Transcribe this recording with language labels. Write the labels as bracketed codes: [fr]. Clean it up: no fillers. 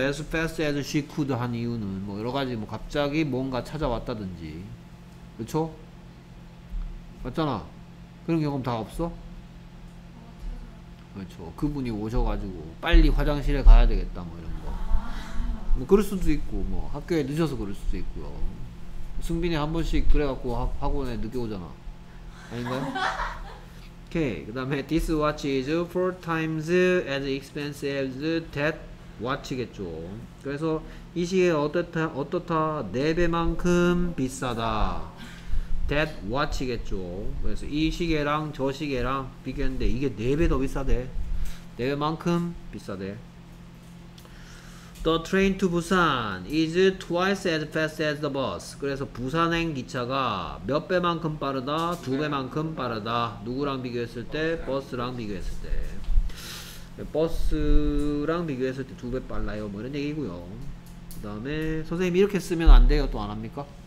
[ko] as fast as she could 한 이유는 뭐 여러 가지 뭐 갑자기 뭔가 찾아왔다든지. 그렇죠? 맞잖아. 그런 경험 다 없어? 그렇죠. 그분이 오셔가지고 빨리 화장실에 가야 되겠다 뭐 이런 거. 뭐 그럴 수도 있고 뭐 학교에 늦어서 그럴 수도 있고요. 승빈이 한 번씩 그래갖고 학원에 늦게 오잖아. 아닌가요? 오케이. 그 다음에 This watch is 4 times as expensive as that watch 겠죠. 그래서 이 시계 어떻다? 4배만큼 비싸다. [en] That watch겠죠. [ko] 그래서 이 시계랑 저 시계랑 비교했는데 이게 4배 더 비싸대. 4배만큼 비싸대. [en] The train to Busan is twice as fast as the bus. [ko] 그래서 부산행 기차가 몇 배만큼 빠르다? 두 배만큼 빠르다. 누구랑 비교했을 때? 버스랑 비교했을 때. 버스랑 비교했을 때 두 배 빨라요. 뭐 이런 얘기고요. 그 다음에 선생님 이렇게 쓰면 안 돼요? 또 안 합니까?